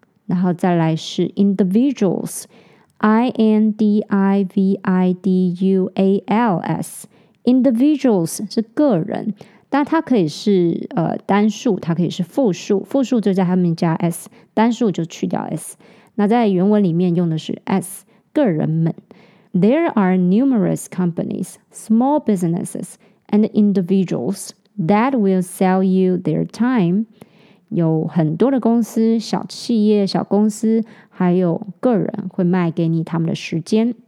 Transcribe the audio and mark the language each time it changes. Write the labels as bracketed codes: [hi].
[zh] 然后再来是 individuals， I-N-D-I-V-I-D-U-A-L-S， individuals 是个人，但它可以是单数，它可以是复数，复数就在后面加 s， 单数就去掉 s。那在原文里面用的是 s， 个人们。 [en] There are numerous companies, small businesses and individuals that will sell you their time。 [zh] 有很多的公司，小企业，小公司，还有个人会卖给你他们的时间。